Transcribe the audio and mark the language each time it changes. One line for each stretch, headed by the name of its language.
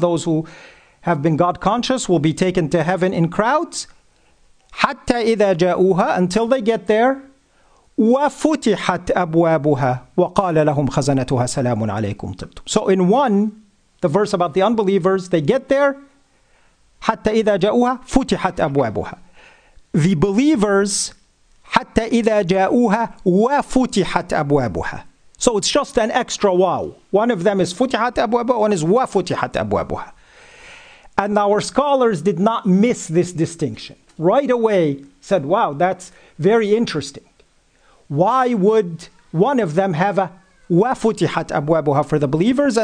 English: Those who have been God-conscious will be taken to heaven in crowds.
Arabic: حَتَّى إِذَا جَاءُوهَا.
English: Until they get there.
Arabic: وَفُتِحَتْ أَبْوَابُهَا وَقَالَ لَهُمْ خَزَنَتُهَا سَلَامٌ عَلَيْكُمْ طِبْتُمْ.
English: So in one, the verse about the unbelievers, they get there.
Arabic: حَتَّى إِذَا جَاءُوهَا فُتِحَتْ أَبْوَابُهَا.
English: The believers,
Arabic: حَتَّى إِذَا جَاءُوهَا وَفُتِحَتْ أَبْوَابُهَا.
English: So it's just an extra wow. One of them is
Arabic: فُتِحَتْ أَبْوَابُهَا,
English: one is
Arabic: وَفُتِحَتْ أَبْوَابُهَا.
English: And our scholars did not miss this distinction. Right away said, wow, that's very interesting. Why would one of them have a
Arabic: وَفُتِحَتْ أَبْوَابُهَا
English: for the believers?